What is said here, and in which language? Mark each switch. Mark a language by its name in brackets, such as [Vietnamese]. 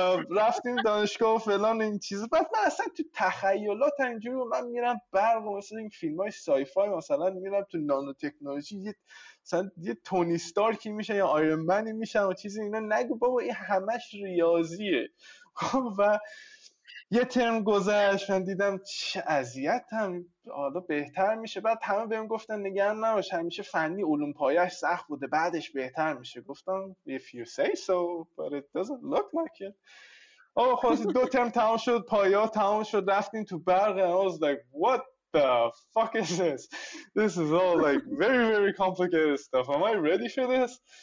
[Persian] رفتیم دانشگاه و فلان این چیز، بعد من اصلا تو تخیلات اینجوری من میرم برق مثلا این فیلم های سای فای مثلا میرم تو نانو تکنولوژی مثلا یه تونی استارکی میشه یا آیرن منی میشه و چیزی اینا، نگو بابا این همش ریاضیه. و یه ترم گذشت من دیدم چه اذیتم، حالا بهتر میشه. بعد همه بهم گفتن نگران نباش همیشه فنی علوم پایش سخت بوده بعدش بهتر میشه. گفتم [English] if you say so but it doesn't look like it. [Persian] آقا خلاص دو ترم تمام شد، پایه ها تمام شد، رفتیم تو برق. [English] I was like what the fuck is this, this is all like very very complicated stuff, am I ready for this.